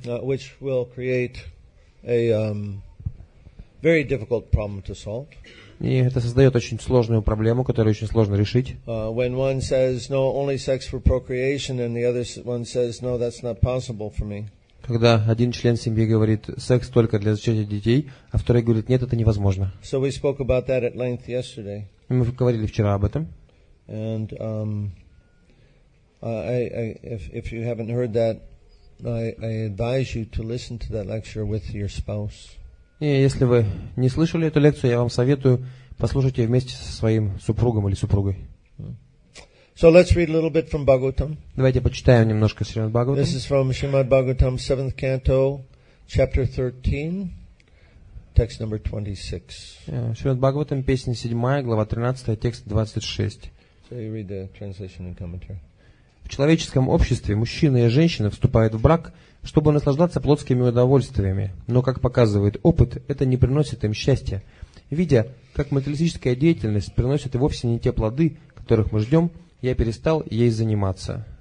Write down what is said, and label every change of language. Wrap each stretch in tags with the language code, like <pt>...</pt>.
<en>Which will create a very difficult problem to solve.</en> <ru>И это создает очень сложную проблему, которую очень сложно решить.</ru> <en>When one says no, only sex for procreation, and the other one says no, that's not possible for me.</en> <ru>Когда один член семьи говорит: секс только для зачатия детей, а второй говорит: нет, это невозможно.</ru> <en>So we spoke about that at length yesterday.</en> <ru>Мы говорили вчера об этом.</ru> <en>And if you haven't heard that, I advise you to listen to that lecture with your spouse.</en> <ru>И если вы не слышали эту лекцию, я вам советую послушать ее вместе со своим супругом или супругой.</ru> <en>So let's read a little bit from Bhagavatam.</en> <ru>Давайте почитаем немножко Шримад Бхагаватам.</ru> <en>This is from Shrimad Bhagavatam, 7th canto, chapter 13, text number 26.</en> <ru>Шримад Бхагаватам, песня 7, глава 13, текст 26.</ru> <en>So you read the translation and commentary.</en> <ru>В человеческом обществе мужчина и женщина вступают в брак, чтобы наслаждаться плотскими удовольствиями. Но, как показывает опыт, это не приносит им счастья. Видя, как материалистическая деятельность приносит вовсе не те плоды, которых мы ждем, я перестал ей заниматься.</ru>